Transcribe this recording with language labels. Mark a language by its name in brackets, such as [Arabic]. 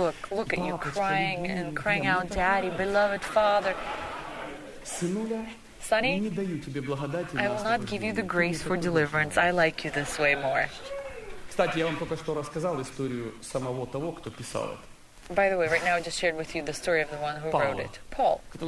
[English] Look at you crying out, Daddy, beloved Father. Sonny, I will not give you the grace for deliverance. I like you this way more. [Russian] Кстати, я вам только что рассказал историю самого того, кто писал это. [English] By the way, right now I just shared with you the story of the one who wrote it. Paul.